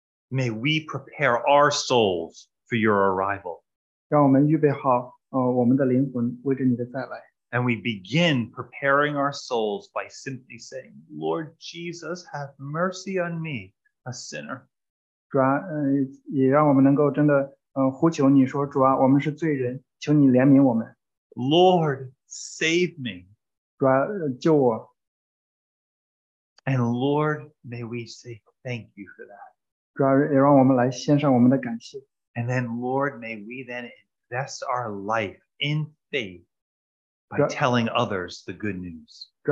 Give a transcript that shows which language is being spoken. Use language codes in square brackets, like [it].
[en] may we prepare our souls for your arrival. [zh] 让我们预备好我们的灵魂为着你的再来。 [en] And we begin preparing our souls by simply saying, Lord Jesus, have mercy on me, a sinner. [zh] 主啊，也让我们能够真的呼求你说，主啊，我们是罪人，求你怜悯我们。 [en] Lord, save me. [zh] 主啊，救我。 [en] And Lord, may we say thank you for that. [zh] 主啊，也让我们来献上我们的感谢。 [en] And then, Lord, may we then invest our life in faith by [zh] 主啊, [en] telling others the good news.